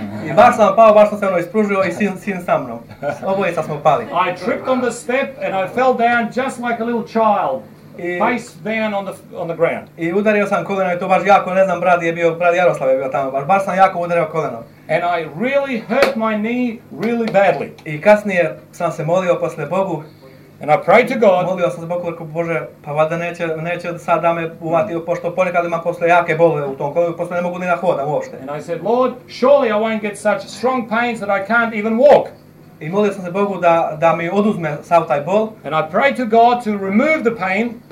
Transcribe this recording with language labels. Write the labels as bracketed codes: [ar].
[sr] I baš sam pao, baš sam se ono ispružio i sin sa mnom. Obojica smo pali. [en] I tripped on the step and I fell down just like a little child. Face down on the ground. [sr] I udario sam koleno i to baš jako, ne znam, brad Jaroslav je bio tamo, baš sam jako udario koleno. [en] And I really hurt my knee really badly. [sr] I kasnije sam se molio posle Bogu. [en] And I prayed to God. [sr] Molio sam se Bogu, rekao, Bože, pa valjda neće sad da me uvati, pošto ponekad imam posle jake bole u tom kolenu, posle ne mogu ni da hodam uopšte. [en] And I said, Lord, surely I won't get such strong pains that I can't even walk. [sr] I molio sam se Bogu da mi oduzme sav taj bol. [en] And I prayed to God to remove the pain.